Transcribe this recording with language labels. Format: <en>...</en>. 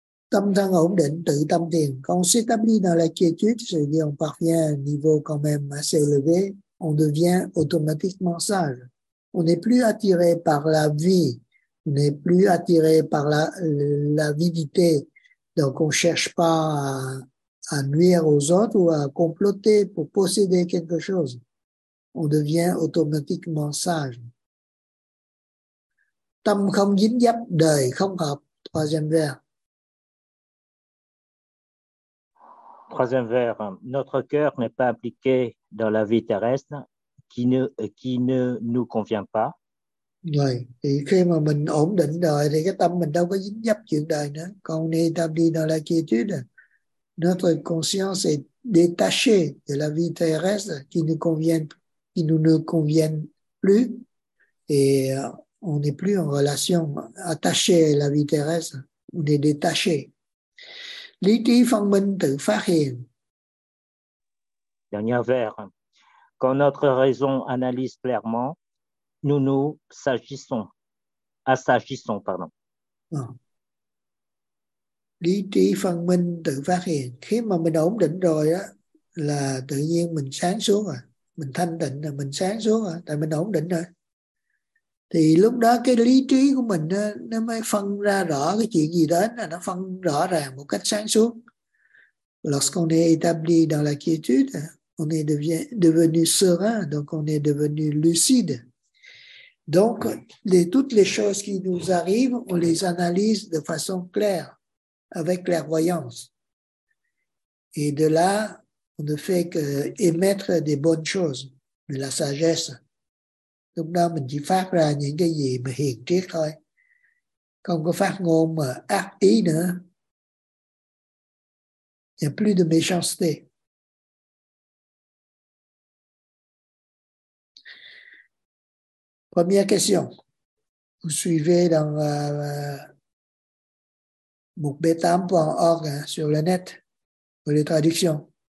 <vi>Tâm thân ổn định, tự tâm thiền.</vi> <fr>Quand on s'établit dans la quiétude, je veux dire, on parvient à un niveau quand même assez élevé, on devient automatiquement sage. On n'est plus attiré par la vie, on n'est plus attiré par l'avidité. Donc, on ne cherche pas à nuire aux autres ou à comploter pour posséder quelque chose. On devient automatiquement sage.</fr> <vi>Tâm không dính dấp, đời không hợp.</vi> <fr>Troisième vers. Troisième vers, notre cœur n'est pas impliqué dans la vie terrestre qui ne nous convient pas. Oui, et</fr> <vi>khi mà mình ổn định đời thì cái tâm mình đâu có dính dấp chuyện đời nữa.</vi> <fr>Quand on est établi dans la quiétude, notre conscience est détachée de la vie terrestre qui ne nous convient plus et on n'est plus en relation attachée à la vie terrestre, on est détaché.</fr> <vi>Lý trí phân minh tự phát hiện.</vi> <fr>Dernier vers. Quand notre raison analyse clairement, nous assagissons.</fr> <vi>Lý trí phân minh tự phát hiện. Khi mà mình ổn định rồi á, là tự nhiên mình sáng suốt rồi. Mình thanh tịnh rồi, mình sáng suốt rồi. Tại mình ổn định rồi. Thì lúc đó cái lý trí của mình nó mới phân ra rõ cái chuyện gì đến, là nó phân rõ ràng một cách sáng suốt.</vi> <fr>Lorsqu'on est établi dans la quiétude, on est devenu serein, donc on est devenu lucide. Donc, toutes les choses qui nous arrivent, on les analyse de façon claire, avec clairvoyance. Et de là, on ne fait qu'émettre des bonnes choses, de la sagesse.</fr> <vi>Lúc đó mình chỉ phát ra những cái gì mà hiện triết thôi. Không có phát ngôn mà ác ý nữa.</vi> <fr>Il n'y a plus de méchanceté. Première question. Vous suivez dans mukbetam.org hein, sur le net pour les traductions.</fr>